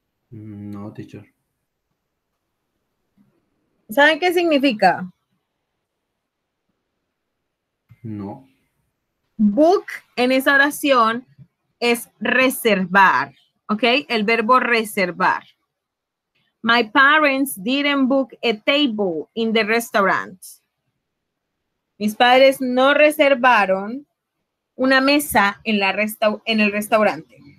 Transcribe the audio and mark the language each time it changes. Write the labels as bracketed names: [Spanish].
[English] No, teacher. [Spanish] ¿Saben qué significa? No. Book en esa oración es reservar, ¿ok? El verbo reservar. [English] My parents didn't book a table in the restaurant. [Spanish] Mis padres no reservaron una mesa en la en el restaurante.